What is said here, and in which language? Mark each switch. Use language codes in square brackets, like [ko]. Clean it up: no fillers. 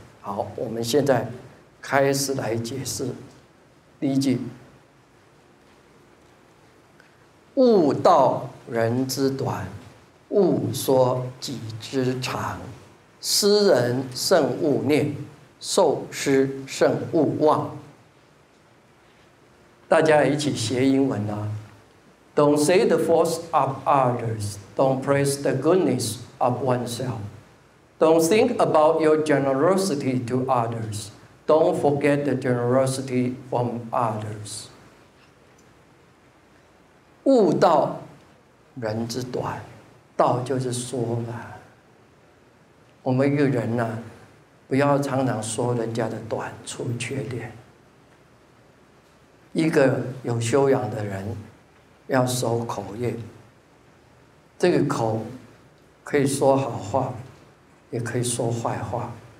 [zh] 好，我们现在开始来解释第一句：悟道人之短，悟说己之长，施人慎勿念，受施甚勿忘。大家一起学英文啊， [en] Don't say the faults of others, don't praise the goodness of oneself, don't think about your generosity to others, don't forget the generosity from others。 [zh] 悟道人之短，道就是说嘛，我们一个人呢、啊、不要常常说人家的短处缺点。一个有修养的人要守口业，这个口可以说好话也可以说坏话。